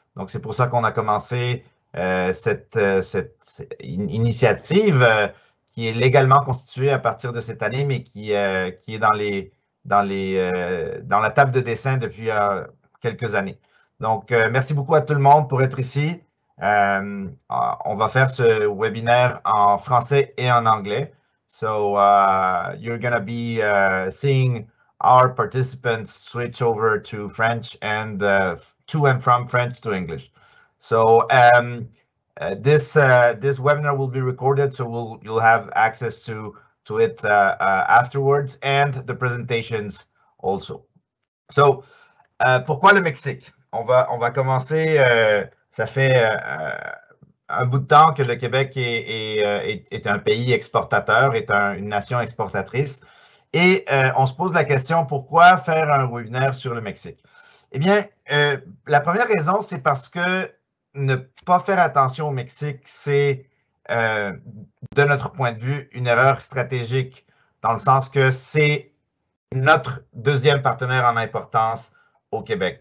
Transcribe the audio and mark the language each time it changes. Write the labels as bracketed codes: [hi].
[fr] Donc, c'est pour ça qu'on a commencé cette initiative qui est légalement constituée à partir de cette année, mais qui est dans la table de dessin depuis quelques années. Donc, merci beaucoup à tout le monde pour être ici. On va faire ce webinaire en français et en anglais. [en] So, you're going to be seeing our participants switch over to French and to and from French to English. So this webinar will be recorded, so you'll have access to it afterwards, and the presentations also. [fr] So, pourquoi le Mexique? On va commencer. Ça fait un bout de temps que le Québec est un pays exportateur, une nation exportatrice. Et on se pose la question, pourquoi faire un webinaire sur le Mexique? Eh bien, la première raison, c'est parce que ne pas faire attention au Mexique, c'est, de notre point de vue, une erreur stratégique, dans le sens que c'est notre deuxième partenaire en importance au Québec.